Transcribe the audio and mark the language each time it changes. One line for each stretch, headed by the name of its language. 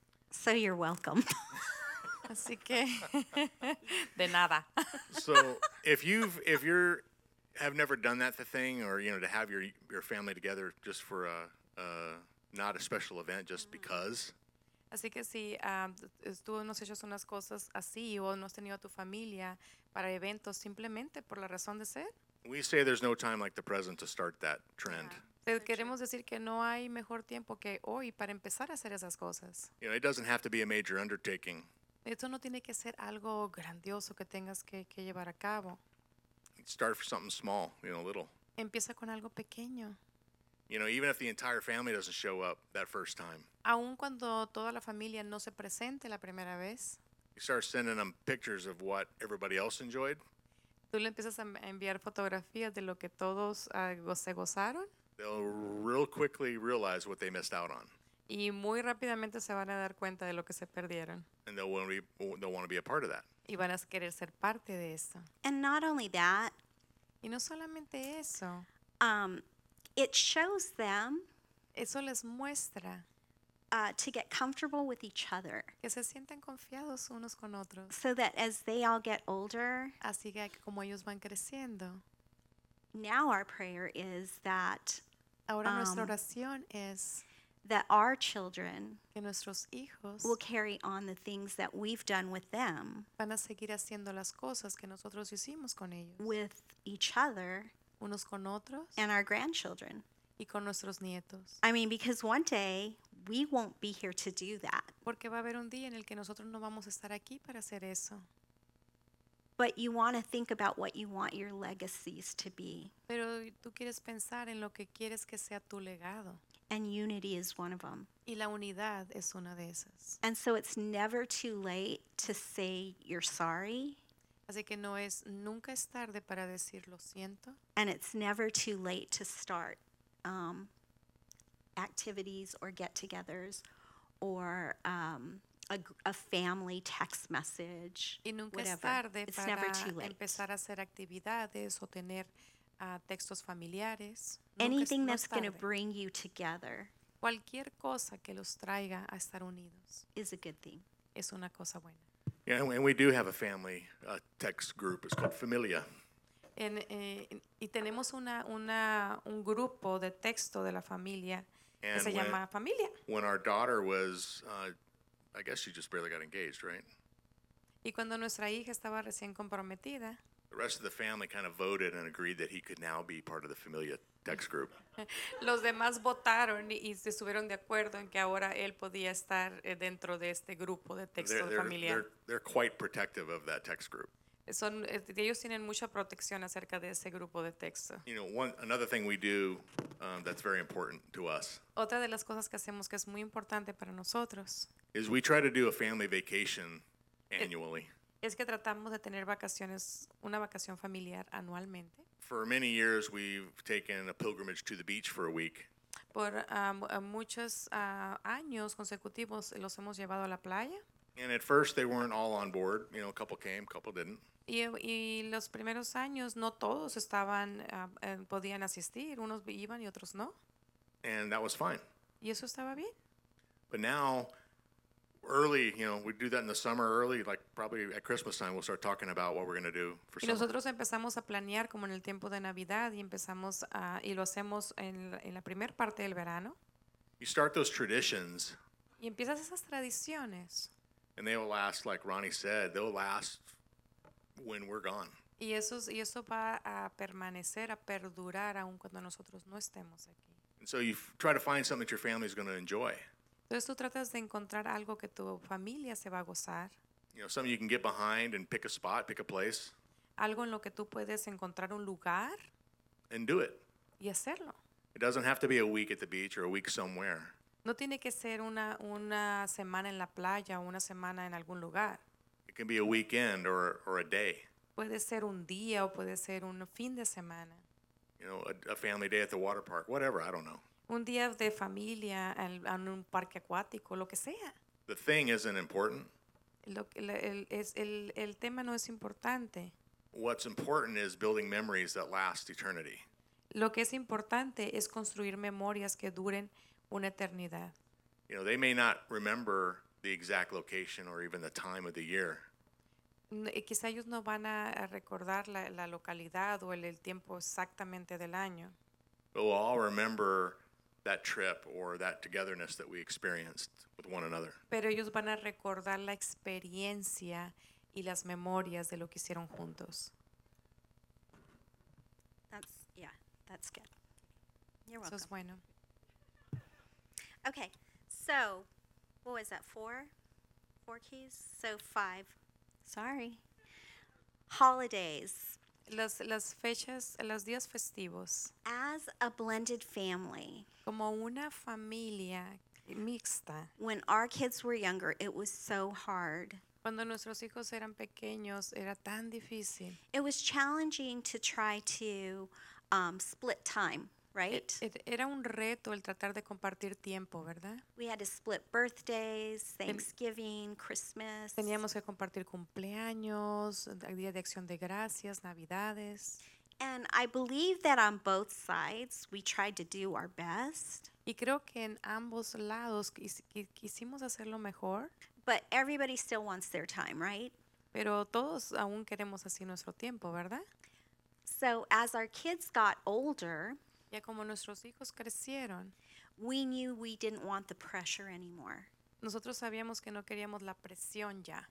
English: So you're welcome.
Spanish: Así que, de nada.
English: So if you have never done that, the thing, or, you know, to have your family together just for not a special event, just because.
Spanish: Así que si tú no has hecho unas cosas así o no has tenido a tu familia para eventos simplemente por la razón de ser.
English: We say there's no time like the present to start that trend. Yeah.
Spanish: Queremos decir que no hay mejor tiempo que hoy para empezar a hacer esas cosas.
English: You know, it doesn't have to be a major undertaking.
Spanish: Esto no tiene que ser algo grandioso que tengas que llevar a cabo.
English: Start for something small, you know, little.
Spanish: Empieza con algo pequeño.
English: You know, even if the entire family doesn't show up that first time.
Spanish: Aun cuando toda la familia no se presente la primera vez.
English: You start sending them pictures of what everybody else enjoyed.
Spanish: Tú le empiezas a enviar fotografías de lo que todos se gozaron.
English: They'll real quickly realize what they missed out on.
Spanish: Y muy rápidamente se van a dar cuenta de lo que se perdieron.
English: And they'll want to be a part of that.
Spanish: Y van a querer ser parte de eso.
English: And not only that.
Spanish: Y no solamente eso.
English: It shows them.
Spanish: Eso les muestra.
English: To get comfortable with each other.
Spanish: Que se sienten confiados unos con otros.
English: So that as they all get older.
Spanish: Así que como ellos van creciendo.
English: Now our prayer is that.
Spanish: Ahora nuestra oración es.
English: That our children
Spanish: que nuestros hijos
English: will carry on the things that we've done with them
Spanish: van a seguir haciendo las cosas que nosotros hicimos con ellos
English: with each other
Spanish: unos con otros
English: and our grandchildren
Spanish: y con nuestros nietos.
English: I mean, because one day we won't be here to do that.
Spanish: Porque va a haber un día en el que nosotros no vamos a estar aquí para hacer eso.
English: But you want to think about what you want your legacies to be.
Spanish: Pero tú quieres pensar en lo que quieres que sea tu legado.
English: And unity is one of them.
Spanish: Y la unidad es una de esas.
English: And so it's never too late to say you're sorry.
Spanish: Así que no es nunca es tarde para decir lo siento.
English: And it's never too late to start activities or get-togethers or a family text message.
Spanish: Y nunca
English: whatever.
Spanish: Es tarde
English: it's
Spanish: para
English: never too late.
Spanish: Empezar a hacer actividades o tener textos familiares.
English: Anything that's going to bring you together.
Spanish: Cualquier cosa que los traiga a estar unidos.
English: Is a good thing.
Spanish: Es una cosa buena.
English: Yeah, and we do have a family text group. It's called Familia.
Spanish: Y tenemos un grupo de texto de la familia que se llama Familia.
English: When our daughter was, I guess she just barely got engaged, right?
Spanish: Y cuando nuestra hija estaba recién comprometida.
English: The rest of the family kind of voted and agreed that he could now be part of the Familia text group.
Spanish: Los demás votaron y se estuvieron de acuerdo en que ahora él podía estar dentro de este grupo de texto familiar.
English: They're quite protective of that text group.
Spanish: Son, ellos tienen mucha protección acerca de ese grupo de texto.
English: You know, another thing we do that's very important to us.
Spanish: Otra de las cosas que hacemos que es muy importante para nosotros.
English: Is we try to do a family vacation annually.
Spanish: Es que tratamos de tener vacaciones, una vacación familiar anualmente.
English: For many years, we've taken a pilgrimage to the beach for a week.
Spanish: Por muchos años consecutivos los hemos llevado a la playa.
English: And at first, they weren't all on board. You know, a couple came, a couple didn't.
Spanish: Y los primeros años, no todos estaban, podían asistir. Unos iban y otros no.
English: And that was fine.
Spanish: Y eso estaba bien.
English: But now, early, you know, we do that in the summer early, like probably at Christmas time, we'll start talking about what we're going to do for summer.
Spanish: Y nosotros empezamos a planear como en el tiempo de Navidad y empezamos a, y lo hacemos en la primer parte del verano.
English: You start those traditions.
Spanish: Y empiezas esas tradiciones.
English: And they will last, like Ronnie said, they'll last when we're gone.
Spanish: Y eso va a permanecer, a perdurar aun cuando nosotros no estemos aquí.
English: And so you try to find something that your family is going to enjoy.
Spanish: Entonces tú tratas de encontrar algo que tu familia se va a gozar.
English: You know, something you can get behind and pick a spot, pick a place.
Spanish: Algo en lo que tú puedes encontrar un lugar.
English: And do it.
Spanish: Y hacerlo.
English: It doesn't have to be a week at the beach or a week somewhere.
Spanish: No tiene que ser una semana en la playa o una semana en algún lugar.
English: It can be a weekend or a day.
Spanish: Puede ser un día o puede ser un fin de semana.
English: You know, a family day at the water park, whatever, I don't know.
Spanish: Un día de familia en un parque acuático, lo que sea.
English: The thing isn't important.
Spanish: El tema no es importante.
English: What's important is building memories that last eternity.
Spanish: Lo que es importante es construir memorias que duren una eternidad.
English: You know, they may not remember the exact location or even the time of the year.
Spanish: Quizá ellos no van a recordar la localidad o el tiempo exactamente del año.
English: But we'll all remember that trip or that togetherness that we experienced with one another.
Spanish: Pero ellos van a recordar la experiencia y las memorias de lo que hicieron juntos.
English: That's, yeah, that's good. You're welcome.
Spanish: Eso es bueno.
English: Okay, so, what was that, four keys? So five, sorry. Holidays.
Spanish: Las fechas, los días festivos.
English: As a blended family.
Spanish: Como una familia mixta.
English: When our kids were younger, it was so hard.
Spanish: Cuando nuestros hijos eran pequeños, era tan difícil.
English: It was challenging to try to split time, right?
Spanish: Era un reto el tratar de compartir tiempo, ¿verdad?
English: We had to split birthdays, Thanksgiving, Christmas.
Spanish: Teníamos que compartir cumpleaños, Día de Acción de Gracias, Navidades.
English: And I believe that on both sides, we tried to do our best.
Spanish: Y creo que en ambos lados quisimos hacer lo mejor.
English: But everybody still wants their time, right?
Spanish: Pero todos aún queremos así nuestro tiempo, ¿verdad?
English: So as our kids got older,
Spanish: ya como nuestros hijos crecieron,
English: we knew we didn't want the pressure anymore.
Spanish: Nosotros sabíamos que no queríamos la presión ya.